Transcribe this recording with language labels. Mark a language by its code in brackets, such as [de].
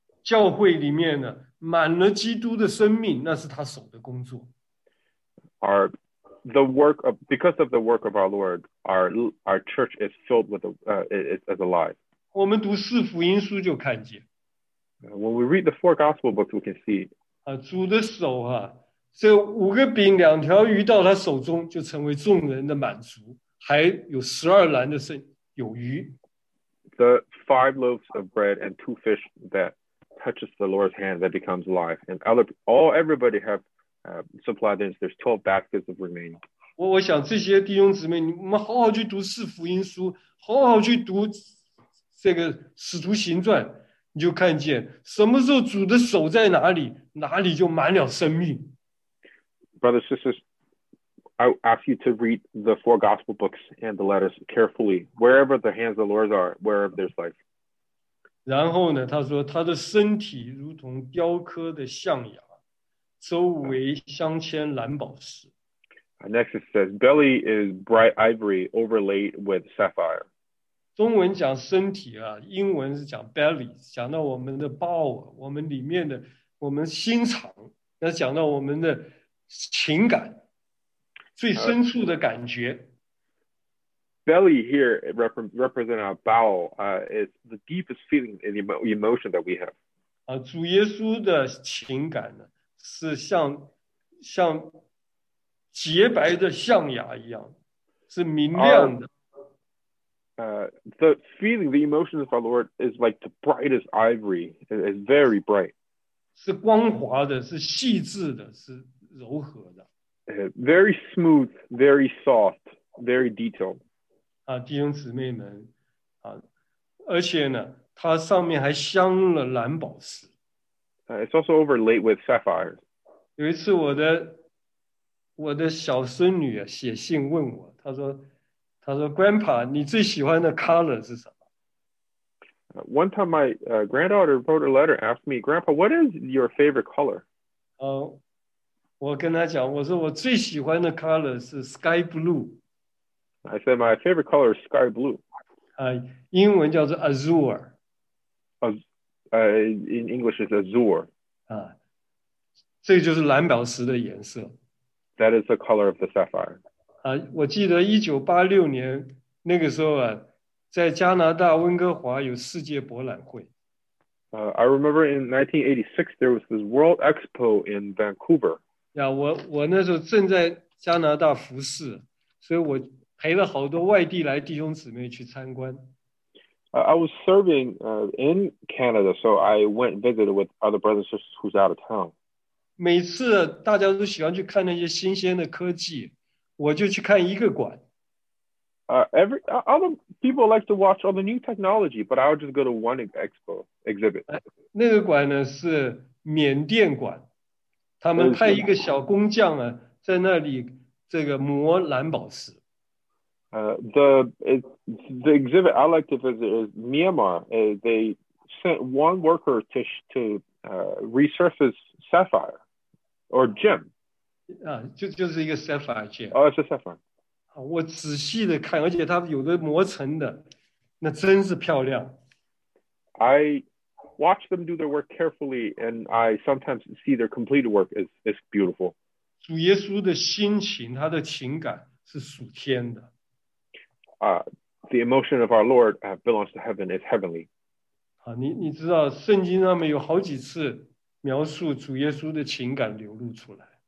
[zh] 教会里面呢，满了基督的生命，那是他手的工作。 [en] Our the work of because of the work of our Lord, our church is filled with is alive. [zh] 我们读四福音书就看见。 [en] When we read the four gospel books, we can see. [zh] 主的手啊，这五个饼两条鱼到他手中，就成为众人的满足，还有十二篮的剩有余。 [en] The five loaves of bread and two fish that touches the Lord's hand that becomes alive, and everybody have. Supply this. There's 12 baskets of remaining. [zh] 我想这些弟兄姊妹，你们好好去读四福音书，好好去读这个使徒行传，你就看见什么时候主的手在哪里，哪里就满了生命。 [en] Brothers, sisters, I ask you to read the four gospel books and the letters carefully. Wherever the hands of the Lord are, wherever there's life. [zh] 然后呢，他说他的身体如同雕刻的象牙。周围镶嵌蓝宝石。 [en] Next it says, belly is bright ivory overlaid with sapphire. [zh] 中文讲身体啊，英文是讲 belly， 讲到我们的 bowel， 我们里面的，我们心肠，那讲到我们的情感，最深处的感觉。 [en] Belly here represents our bowel. It's the deepest feeling and emotion that we have. [zh] 主耶稣的情感呢？是像洁白的象牙一样，是明亮的。 [en] The feeling, the emotions of our Lord is like the brightest ivory. It's very bright. [zh] 是光滑的，是细致的，是柔和的。 [en] Very smooth, very soft, very detailed. [zh] 弟兄姊妹们，而且呢，它上面还镶了蓝宝石。 [en] It's also overlaid with sapphire. [zh] 有一次我的小孙女啊写信问我，她说 Grandpa， 你最喜欢的 color 是什么？ [en] One time my granddaughter wrote a letter asked me, Grandpa, what is your favorite color? [zh] 我跟她讲，我说我最喜欢的 color 是 [en] sky blue. I said my favorite color is sky blue. [zh] 英文叫做 azure. [en] In English, it's azure. [zh] 这就是蓝宝石的颜色。 [en] That is the color of the sapphire. [zh] 我记得1986年那个时候啊，在加拿大温哥华有世界博览会。 [en] I remember in 1986 there was this World Expo in Vancouver. [zh] 我那时候正在加拿大服侍，所以我陪了好多外地来弟兄姊妹去参观。 [en] I was serving in Canada, so I went and visited with other brothers and sisters who's out of town. [zh] 每次大家都喜欢去看那些新鲜的科技，我就去看一个馆。 [en] All the people like to watch all the new technology, but I would just go to one expo exhibit. [zh] 那个馆呢是缅甸馆，他们派一个小工匠啊在那里这个磨蓝宝石。 [en] The exhibit I like to visit is Myanmar. They sent one worker to resurface sapphire or gem. [zh] 就是一个 [en] sapphire gem. Oh, it's a sapphire. [zh] 我仔细的看，而且它有的磨成的，那真是漂亮。 [en] I watch them do their work carefully, and I sometimes see their completed work is beautiful. [zh] 主耶稣的心情，他的情感是属天的。 [en] The emotion of our Lord belongs to heaven. It's heavenly. [zh] 你知道圣经上面有好几次描述主耶稣的情感流露出来。